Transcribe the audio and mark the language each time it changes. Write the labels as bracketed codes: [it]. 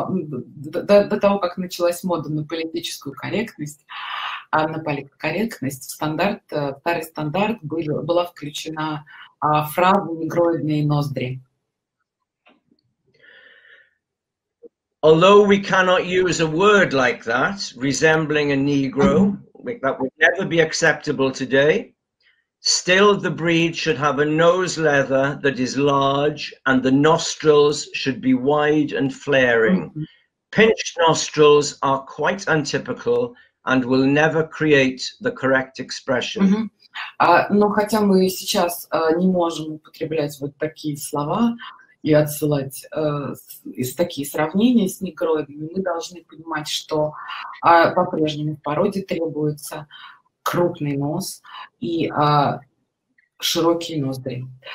[ru] До того, как началась мода на политическую корректность, на политкорректность, старый стандарт была включена фраза «негроидные ноздри». [en] Although we cannot use a word like that, resembling a negro, that would never be acceptable today, still the breed should have a nose leather that is large, and the nostrils should be wide and flaring. Pinched nostrils are quite untypical and will never create the correct expression. [ru] Но хотя мы сейчас не можем употреблять вот такие слова и отсылать из такие сравнения с негроидами, мы должны понимать, что по-прежнему в породе требуется крупный нос и широкие ноздри.